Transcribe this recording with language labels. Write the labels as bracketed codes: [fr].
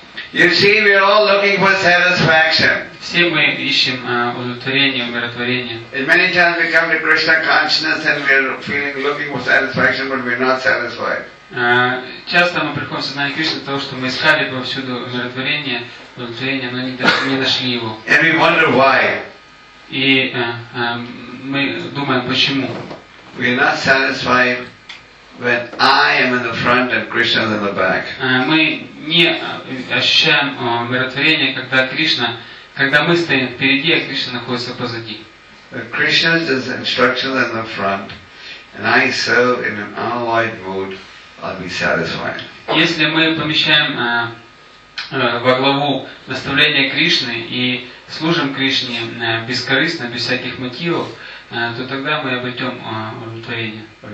[en] You see, we are all looking for satisfaction. [ru] Все мы ищем удовлетворение, умиротворение. [en] And many times we come to Krishna consciousness and we are feeling, looking for satisfaction, but we are not satisfied. [ru] Часто мы приходим в сознание Кришны того, что мы искали повсюду умиротворение, удовлетворение, но не нашли его. [en] And we wonder why. [ru] И мы думаем, почему. [en] We are not satisfied when I am in the front and Krishna is in the back. [ru] Мы не ощущаем умиротворение, когда Кришна, когда мы стоим впереди, а Кришна находится позади. [en] Krishna is instructed in the front, and I serve in an unalloyed mood, I'll be satisfied. [ru] Если мы помещаем во главу наставления Кришны и служим Кришне бескорыстно, без всяких мотивов, то тогда мы обретем удовлетворение.